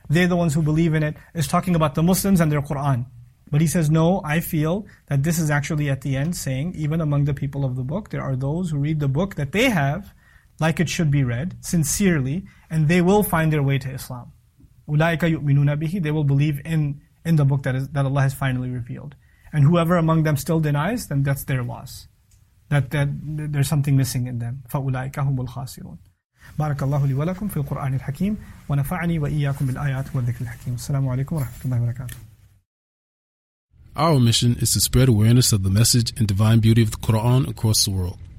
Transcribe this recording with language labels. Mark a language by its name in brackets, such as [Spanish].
[English] They're the ones who believe in it. It's talking about the Muslims and their Qur'an. But he says, no, I feel that this is actually at the end saying, even among the people of the book, there are those who read the book that they have, like it should be read, sincerely, and they will find their way to Islam. [Arabic] أُولَٰئِكَ يُؤْمِنُونَ بِهِ. [English] They will believe in the book that Allah has finally revealed. And whoever among them still denies, then that's their loss. That there's something missing in them. [Arabic] فَأُولَٰئِكَ هُمُ الْخَاسِرُونَ. بارك الله لي ولكم في القرآن الحكيم ونفعني وإياكم بالآيات والذكر الحكيم. السلام عليكم ورحمة الله وبركاته. [English] Our mission is to spread awareness of the message and divine beauty of the Quran across the world.